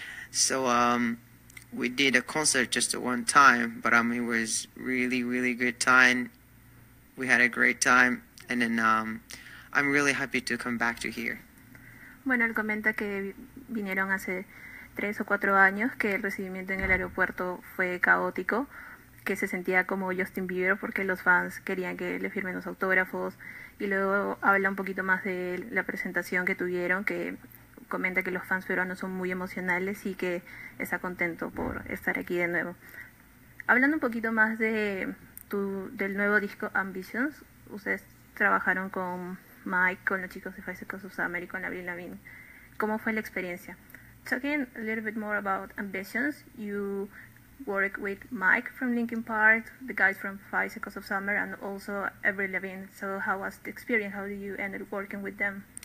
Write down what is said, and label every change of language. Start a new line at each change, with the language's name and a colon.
English: So we did a concert just one time, but it was really really good time. We had a great time, and then I'm really happy to come back to here.
Spanish: Bueno, él comenta que vinieron hace 3 o 4 años, que el recibimiento en el aeropuerto fue caótico, que se sentía como Justin Bieber porque los fans querían que le firmen los autógrafos. Y luego habla un poquito más de la presentación que tuvieron, que comenta que los fans peruanos son muy emocionales y que está contento por estar aquí de nuevo. Hablando un poquito más de del nuevo disco Ambitions, ustedes trabajaron con Mike, con los chicos de Faces con Susamer y con Avril Lavigne. ¿Cómo fue la experiencia?
English: Talking a little bit more about Ambitions, you work with Mike from Linkin Park, the guys from 5 Seconds of Summer, and also Avril Lavigne. So how was the experience? How did you end up working with them?